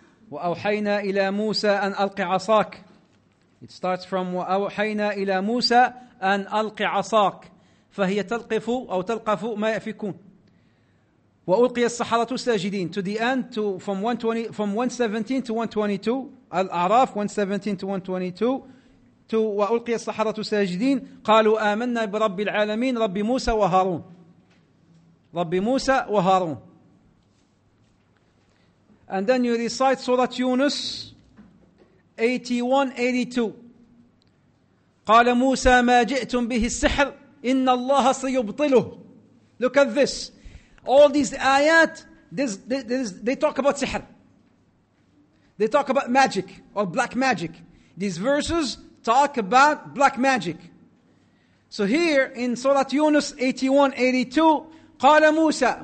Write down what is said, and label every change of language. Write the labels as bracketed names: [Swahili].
[Arabic] وأوحينا إلى موسى أن ألقي عصاك. [English] It starts from [Arabic] وأوحينا إلى موسى أن ألقي عصاك. فهي تلقف أو تلقف ما يفكون. وألقي السحرة ساجدين. [English] To the end, from 117 to 122, الأعراف 117 to 122, to [Arabic] وألقي السحرة ساجدين. قالوا آمنا برب العالمين رب موسى وهارون. رب موسى وهارون. [English] And then you recite Surah Yunus 81-82. [Arabic] قال موسى ما جئتم به السحر إن الله سيبطله. [English] Look at this. All these ayat, they talk about sihr. They talk about magic or black magic. These verses talk about black magic. So here in Surah Yunus 81-82, [Arabic] قال موسى.